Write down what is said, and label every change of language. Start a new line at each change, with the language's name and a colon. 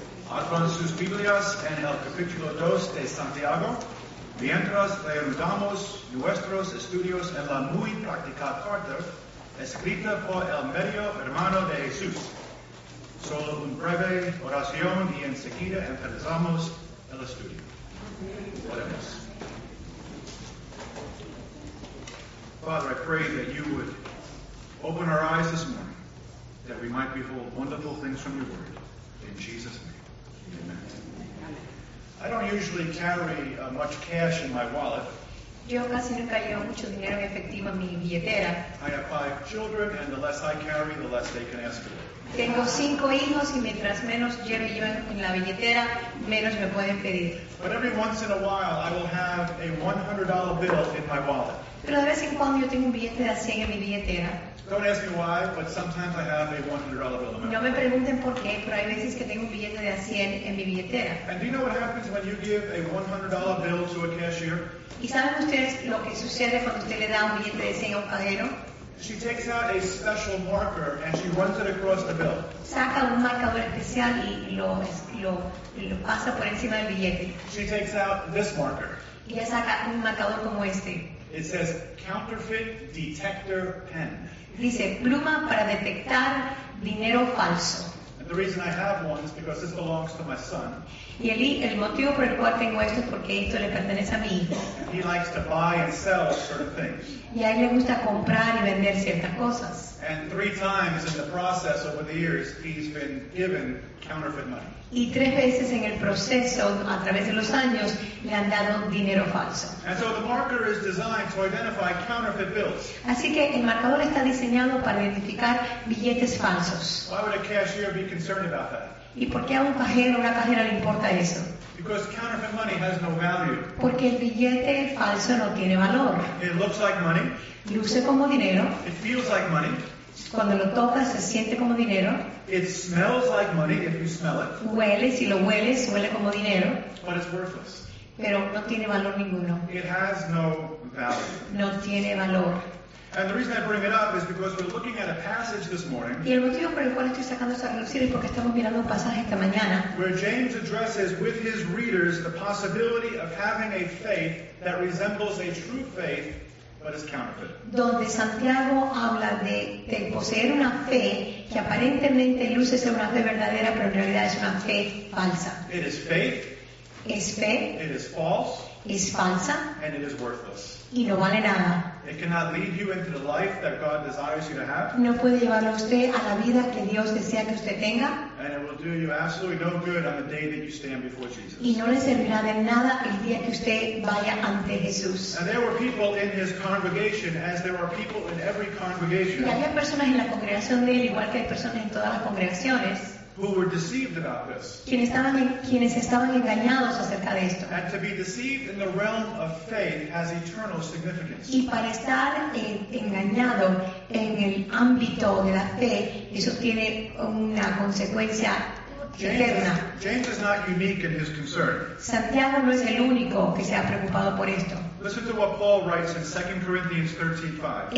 Spanish: Abran sus Biblias en el capítulo 2 de Santiago, mientras reanudamos nuestros estudios en la muy práctica carta escrita por el medio hermano de Jesús. Solo una breve oración y enseguida empezamos el estudio. Oremos.
English: Father, I pray that you would open our eyes this morning, that we might behold wonderful things from your word. In Jesus' name. I don't usually carry much cash in my wallet.
Spanish: Yo casi nunca llevo mucho dinero en efectivo en mi billetera.
English: I have 5 children, and the less I carry, the less they can ask for.
Spanish: Tengo 5 hijos, y mientras menos lleve yo en la billetera, menos me pueden pedir.
English: But every once in a while, I will have a $100 bill in my wallet.
Spanish: Pero de vez en cuando yo tengo un billete de 100 en mi billetera.
English: Don't ask me why, but sometimes I have a $100 bill in my wallet.
Spanish: No me pregunten por qué, pero hay veces que tengo un billete de 100 en mi billetera.
English: And do you know what happens when you give a $100 bill to a cashier?
Spanish: ¿Y saben ustedes lo que sucede cuando usted le da un billete de 100 a un cajero?
English: She takes out a special marker and she runs it across the bill.
Spanish: Saca un marcador especial y lo pasa por encima del billete.
English: She takes out this marker.
Spanish: Y ella saca un marcador como este.
English: It says counterfeit detector pen.
Spanish: Dice pluma para detectar dinero falso.
English: And the reason I have one is because this belongs to my son.
Spanish: Y el motivo por el cual tengo esto es porque esto le pertenece a mi hijo.
English: And he likes to buy and sell certain things.
Spanish: Y a él le gusta comprar y vender ciertas cosas.
English: And 3 times in the process over the years he's been given counterfeit money.
Spanish: Y 3 veces en el proceso, a través de los años, le han dado dinero falso.
English: And so the marker is designed to identify counterfeit bills.
Spanish: Así que el marcador está diseñado para identificar billetes falsos.
English: Why would a cashier be concerned about that?
Spanish: ¿Y por qué a un cajero o una cajera le importa eso?
English: Because counterfeit money has no value.
Spanish: Porque el billete falso no tiene valor.
English: It looks like money.
Spanish: Luce como dinero.
English: It feels like money.
Spanish: Cuando lo tocas se siente como dinero.
English: It smells like money if you smell it.
Spanish: Huele, si lo hueles, huele como dinero.
English: But it's worthless.
Spanish: Pero no tiene valor ninguno.
English: It has no value.
Spanish: No tiene valor.
English: And the reason I bring it up is because we're looking at a passage this morning.
Spanish: Y el motivo por el cual estoy sacando esta relucir es porque estamos mirando un pasaje esta mañana.
English: Where James addresses with his readers the possibility of having a faith that resembles a true faith, but is counterfeit.
Spanish: Donde Santiago habla de poseer una fe que aparentemente luce ser una fe verdadera, pero en realidad es una fe falsa.
English: It is faith.
Spanish: Es fe.
English: It is false.
Spanish: Es falsa.
English: And it is worthless.
Spanish: Y no vale nada.
English: It cannot lead you into the life that God desires you to have.
Spanish: No puede llevar a usted a la vida que Dios desea que usted tenga.
English: And it will do you absolutely no good on the day that you stand before Jesus.
Spanish: Y no le servirá de nada el día que usted vaya ante Jesús.
English: And there were people in his congregation, as there are people in every congregation.
Spanish: Y había personas en la congregación de él, igual que hay personas en todas las congregaciones.
English: Who were deceived about this.
Spanish: Quienes estaban engañados acerca de esto.
English: And to be deceived in the realm of faith has eternal significance.
Spanish: Y para estar engañado en el ámbito de la fe, eso tiene una consecuencia eterna.
English: James is not unique in his concern.
Spanish: Santiago no es el único que se ha preocupado por esto.
English: Listen to what Paul writes in 2 Corinthians 13:5.